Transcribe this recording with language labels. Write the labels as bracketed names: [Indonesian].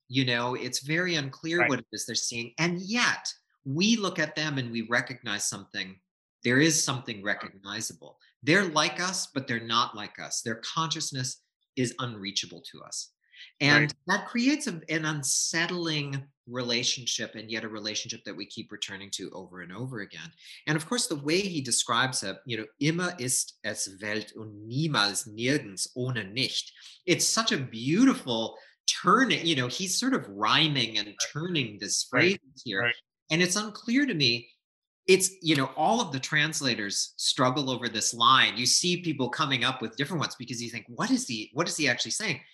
[English] You know, it's very unclear what it is they're seeing. And yet we look at them and we recognize something. There is something recognizable. They're like us, but they're not like us. Their consciousness is unreachable to us. And that creates an unsettling relationship, and yet a relationship that we keep returning to over and over again. And of course, the way he describes it, you know, [German] immer ist es Welt und niemals nirgends ohne nicht. [English] It's such a beautiful turning, you know, he's sort of rhyming and turning this phrase here. Right. And it's unclear to me. It's, you know, all of the translators struggle over this line. You see people coming up with different ones because you think, what is he actually saying?